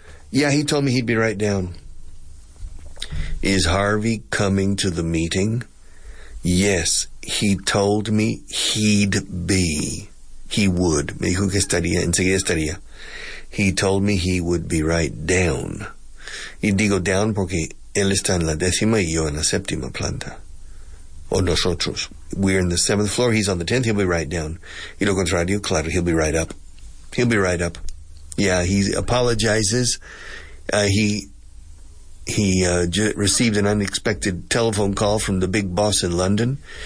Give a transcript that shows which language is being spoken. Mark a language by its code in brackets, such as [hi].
[en] Yeah, he told me he'd be right down. Is Harvey coming to the meeting? Yes, he told me he'd be. He would. [es] Me dijo que estaría, enseguida estaría. [en] He told me he would be right down. [es] Y digo down porque él está en la décima y yo en la séptima planta. O nosotros. [en] We're in the 7th floor, he's on the 10th, he'll be right down. [es] Y lo contrario, claro, [en] he'll be right up. He'll be right up. Yeah, he apologizes. He received an unexpected telephone call from the big boss in London.